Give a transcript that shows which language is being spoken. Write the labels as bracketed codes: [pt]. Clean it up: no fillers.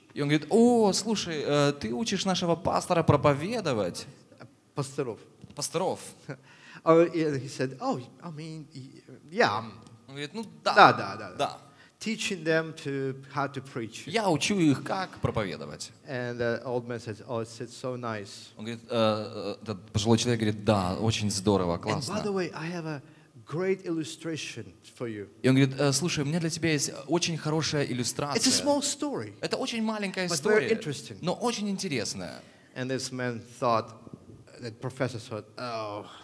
[ru] И он говорит, о, слушай, ты учишь нашего пастора проповедовать. Пасторов. [en] He said, [ru] Он говорит, ну да. [en] Teaching them to how to preach. [ru] Я учу их, как проповедовать. [en] And the old man says, "Oh, it's so nice." [ru] Он говорит, этот пожилой человек говорит, да, очень здорово, классно. [en] And by the way, I have a great illustration for you. [ru] И он говорит, слушай, у меня для тебя есть очень хорошая иллюстрация. [en] It's a small story. [ru] Это очень маленькая история. [en] But very interesting. [ru] Но очень интересная. [en] And this man thought, that professor thought, oh.